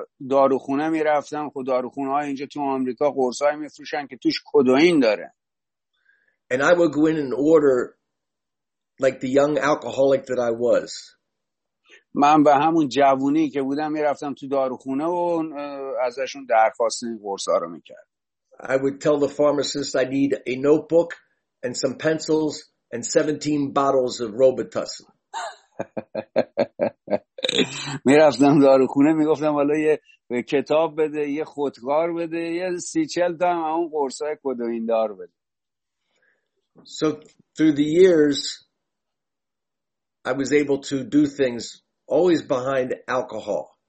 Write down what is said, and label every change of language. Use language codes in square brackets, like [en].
[fa] داروخونه می رفتم خود داروخونه های اینجا تو امریکا قرص های می فروشن که توش کدوین داره. [en] And I would go in and order, like the young alcoholic that I was. [fa] من به همون جوونی که بودم میرفتم تو داروخونه و ازشون درخواست قرصا رو میکرد. [en] I would tell the pharmacist I need a notebook and some pencils and 17 bottles of Robitussin. [fa] میرفتم داروخونه میگفتم والا یه کتاب بده، یه خودکار بده، یه 30-40 تا هم اون قرصای کدوین دار بده. [en] So through the years, I was able to do things always behind alcohol.